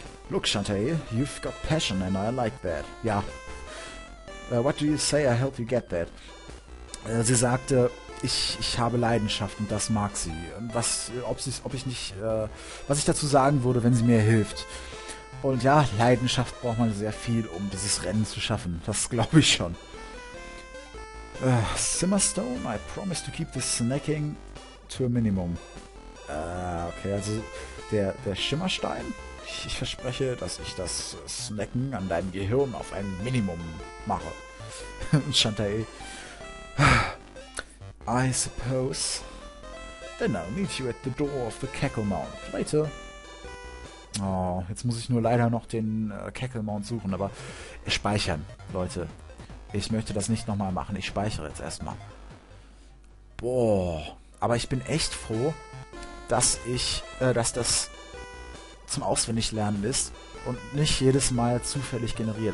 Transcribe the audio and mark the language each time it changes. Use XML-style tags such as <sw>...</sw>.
<en>Look, Shantae, you've got passion and I like that. Ja. What do you say I help you get that?</en> <de>Sie sagte, ich habe Leidenschaft und das mag sie. Was ich dazu sagen würde, wenn sie mir hilft. Und ja, Leidenschaft braucht man sehr viel, um dieses Rennen zu schaffen. Das glaube ich schon.</de> <en>Simmerstone, I promise to keep the snacking to a minimum.</en> <de>Okay, also der Schimmerstein. Ich verspreche, dass ich das Snacken an deinem Gehirn auf ein Minimum mache.</de> <en>Shantae. I suppose. Then I'll meet you at the door of the Cackle Mount later.</en> <de>Oh, jetzt muss ich nur leider noch den Cackle Mount suchen, aber speichern, Leute. Ich möchte das nicht nochmal machen. Ich speichere jetzt erstmal. Boah. Aber ich bin echt froh, dass ich, dass das zum Auswendiglernen ist und nicht jedes Mal zufällig generiert.</de>